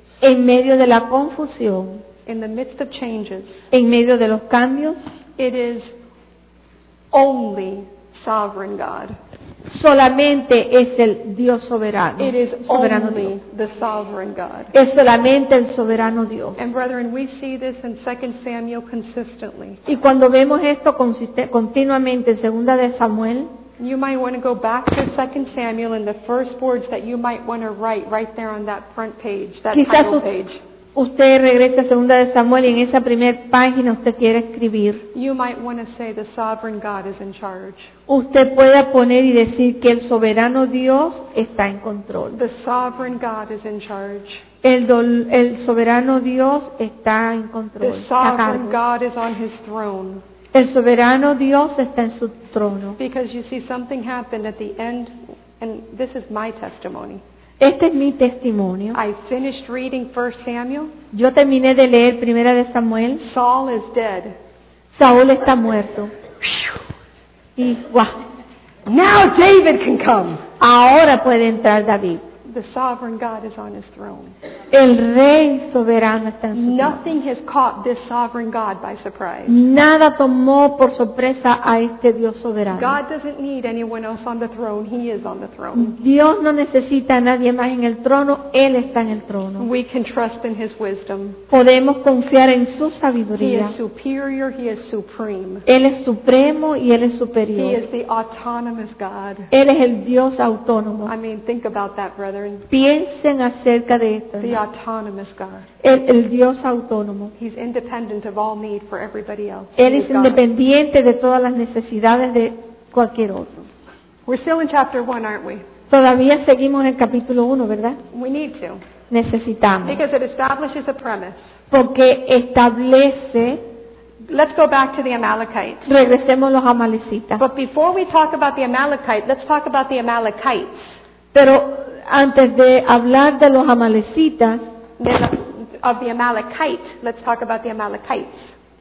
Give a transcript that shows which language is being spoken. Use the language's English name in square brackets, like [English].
[Spanish] En medio de la confusión. [English] In the midst of changes. [Spanish] En medio de los cambios. [English] It is only sovereign God. [Spanish] Solamente es el Dios soberano. [English] It is [Spanish] soberano [English] only [Spanish] Dios. [English] The sovereign God. [Spanish] Es solamente el soberano Dios. [English] And brethren, we see this in 2 Samuel consistently. [Spanish] Y cuando vemos esto continuamente en Segunda de Samuel, [English] you might want to go back to 2 Samuel and the first words that you might want to write right there on that front page, that title page. [Spanish] Usted regresa a Segunda de Samuel y en esa primera página usted quiere escribir. [English] You might want to say the sovereign God is in charge. [Spanish] Usted puede poner y decir que el soberano Dios está en control. [English] The sovereign God is in charge. [Spanish] El soberano Dios está en control. [English] The sovereign God is on his throne. [Spanish] El soberano Dios está en su trono. [English] Because you see something happened at the end, and this is my testimony. [Spanish] Este es mi testimonio. [English] I finished reading 1 Samuel. [Spanish] Yo terminé de leer Primera de Samuel. [English] Saul is dead. [Spanish] Saúl está muerto. Y wow. [English] Now David can come. [Spanish] Ahora puede entrar David. [English] The sovereign God is on his throne. [Spanish] El rey soberano está en su trono. [English] Nothing has caught this sovereign God by surprise. [Spanish] Nada tomó por sorpresa a este Dios soberano. [English] God doesn't need anyone else on the throne. He is on the throne. [Spanish] Dios no necesita a nadie más en el trono. Él está en el trono. [English] We can trust in his wisdom. [Spanish] Podemos confiar en su sabiduría. [English] He is superior. He is supreme. [Spanish] Él es supremo y él es superior. [English] He is the autonomous God. [Spanish] Él es el Dios autónomo. [English] I mean, think about that. [Spanish] Piensen acerca de esto. [English] The autonomous God. [Spanish] El Dios autónomo. [English] He's independent of all need for everybody else. [Spanish] Él es independiente de todas las necesidades de cualquier otro. [English] We're still in chapter 1, aren't we? [Spanish] Todavía seguimos en el capítulo 1, ¿verdad? [English] We need to. [Spanish] Necesitamos. [English] Because it establishes a premise. [Spanish] Porque establece. [English] Let's go back to the Amalekites. [Spanish] Regresemos a los amalecitas. [English] But before we talk about the Amalekites, let's talk about the Amalekites. [Spanish] Pero antes de hablar de los amalecitas, [English] of the Amalekite, let's talk about the Amalekites.